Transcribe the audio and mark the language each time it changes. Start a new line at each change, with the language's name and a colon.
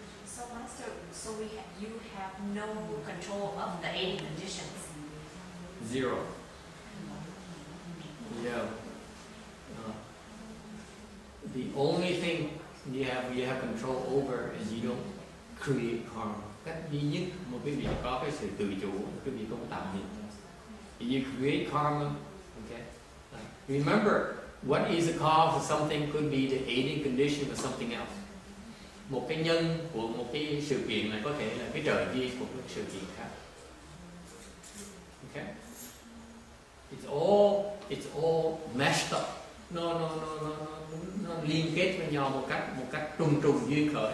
English: So, Master, so we you have no control of the 80 conditions? Zero. Yeah. The only thing you have control over is you don't create karma.
Vietnamese: Cách duy nhất một cái vị có cái sự tự chủ, cái vị không tạo nghiệp.
English: You create karma, okay? Remember, what is the cause of something could be the aiding condition for something else.
Vietnamese: Một cái nhân của một cái sự kiện này có thể là cái trợ duyên của một sự kiện khác.
English: Okay? It's all meshed up.
Vietnamese: No, liên kết với nhau một cách trùng trùng duyên khởi.